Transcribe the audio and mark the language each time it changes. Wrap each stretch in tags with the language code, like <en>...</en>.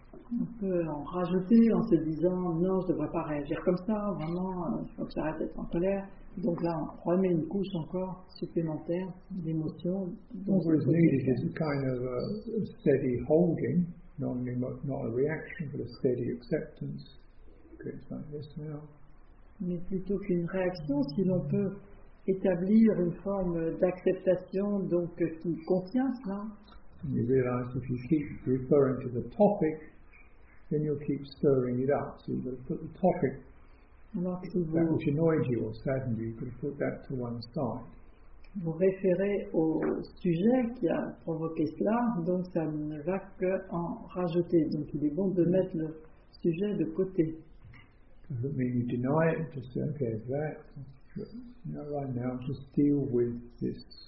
<fr>On peut en rajouter en se disant non, je ne devrais pas réagir comme ça, vraiment, il faut que j'arrête d'être en colère. Donc là, on remet une couche encore supplémentaire d'émotion.</fr> <en>What is needed is a kind of a steady holding, not a reaction, but a steady acceptance. Okay, it's like this now.</en> <fr>Mais plutôt qu'une réaction, si l'on peut établir une forme d'acceptation donc, qui contient cela.</fr> <en>And you realize if you keep referring to the topic, then you'll keep stirring it up. So you've got to put the topic that which annoyed you or saddened you, you've got to put that to one side.</en> <fr>Vous référez au sujet qui a provoqué cela, donc ça ne va que en rajouter. Donc il est bon de mettre le sujet de côté.</fr> <en>Does that mean you deny it? Just say, okay, it's that. No, right now, just deal with this.</en>